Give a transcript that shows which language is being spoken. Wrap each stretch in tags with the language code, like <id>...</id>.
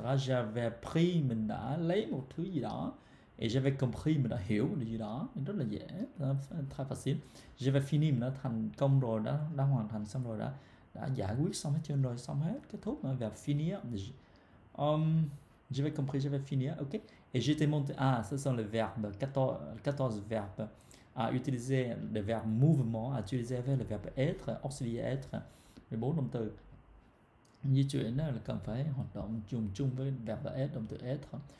<fr>J'avais pris,</fr> <vi>mình đã lấy một thứ gì đó,</vi> <fr>et j'avais compris,</fr> <vi>mình đã hiểu điều gì đó, rất là dễ,</vi> <fr>très facile. J'avais fini,</fr> <vi>mình đã thành công rồi đó, đã hoàn thành xong rồi đó, đã giải quyết xong hết trơn rồi, xong hết, kết thúc, và finir.</vi> <fr>J'avais compris, j'avais fini, ok. Et j'étais monté. Ah, ce sont les verbes, 14 verbes à utiliser, le verbe mouvement, à utiliser avec le verbe être, auxiliaire être, les bons</fr> <vi>động từ. Di chuyển là cần phải hoạt động chung chung với verbe être, động từ être.</vi>